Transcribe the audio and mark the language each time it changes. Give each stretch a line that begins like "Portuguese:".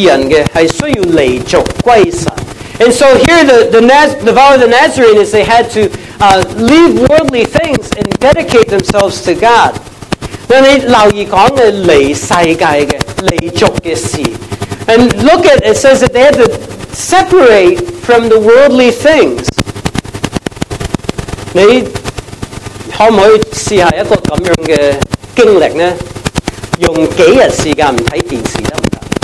Chinese: 所以我们看到拿细耳人的是需要离族归神。
English: And so here, the vow of the Nazarene is they had to leave worldly things and dedicate themselves to God.
Chinese: 那你留意講的離世界的,離族的事。
English: And look at, it says that they had to separate from the worldly things.
Chinese: 你可不可以試一下一個這樣的經歷呢? 用幾天時間不看電視行不行?